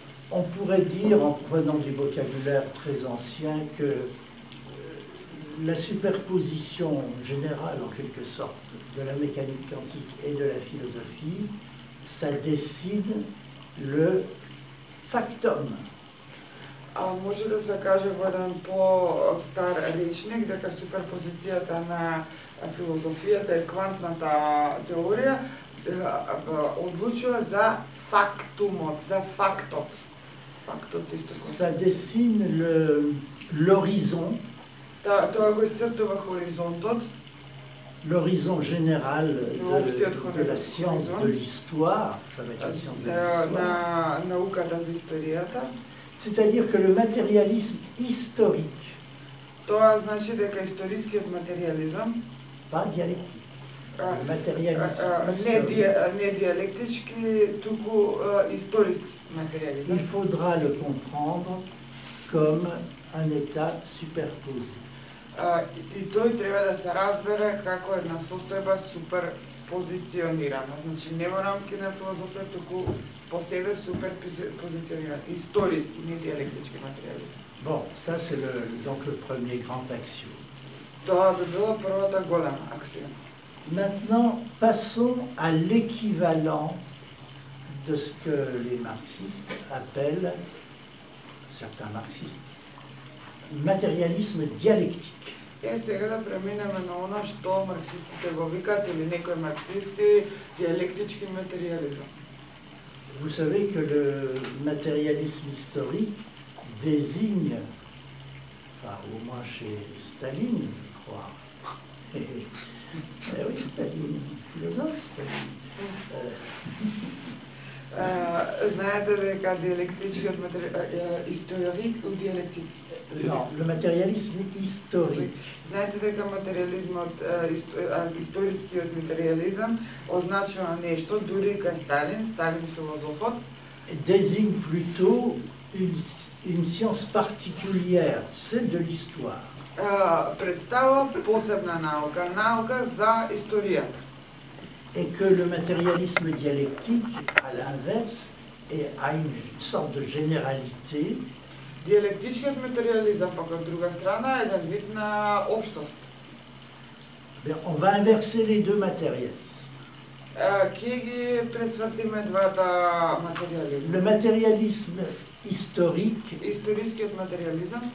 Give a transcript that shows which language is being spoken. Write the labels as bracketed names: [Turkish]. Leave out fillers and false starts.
[French] On pourrait dire, en prenant du vocabulaire très ancien, que la superposition générale en quelque sorte de la mécanique quantique et de la philosophie, ça décide le factum. [Macedonian] А може да се каже во еден по-стар речник дека суперпозицијата на филозофијата и квантната теорија одлучува за фактумот, за фактот. Фактот исто. [French] Са десин лоризон. [Macedonian] Тоа го исцртува хоризонтот. [French] L'horizon général de la science de l'histoire, ça va être la science de l'histoire. [Macedonian] На науката за историјата. [French] C'est-à-dire que le matérialisme historique, [Macedonian] тоа значи дека историскиот материализам, [French] pas dialectique, [Macedonian] не диалектички, туку историски материализам. [French] Il faudra le comprendre comme un état superposé. [Macedonian] И тој треба да се разбере како една состојба суперпозиционирана. Значи не во рамки на филозофија, туку по себе суперпозициониран, историски, не диалектички материализм. [French] Bon, ça c'est le premier grand axiome. [Macedonian] Тоа би било првата голема аксиома. [French] Maintenant, passons à l'équivalent de ce que les marxistes appellent, certains marxistes, matérialisme dialectique. [Macedonian] Е, сега да преминеме на оно што марксистите го викаат или некои марксисти диалектички материализм. [French] Vous savez que le matérialisme historique désigne, enfin, au moins chez Staline, je crois, et oui, Staline, philosophe, Staline. [Macedonian] Знаете дека диалектичкиот историк или диалектик? [French] Non, le matérialisme historique. [Macedonian] Знаете дека материализмот историскиот материализам означува нешто дури и кај Сталин, Сталин философот. [French] Désigne plutôt une science particulière, celle de l'histoire. [Macedonian] Представува посебна наука, наука за историјата. [French] Et que le matérialisme dialectique, à l'inverse, est à une sorte de généralité. [Macedonian] Диалектичкиот материализам, пак од друга страна, е еден вид на општост. [French] Bien, on va inverser les deux matérialismes. [Macedonian] Ке ги пресвртиме двата материализма? [French] Le matérialisme historique. [Macedonian] Историскиот материализам.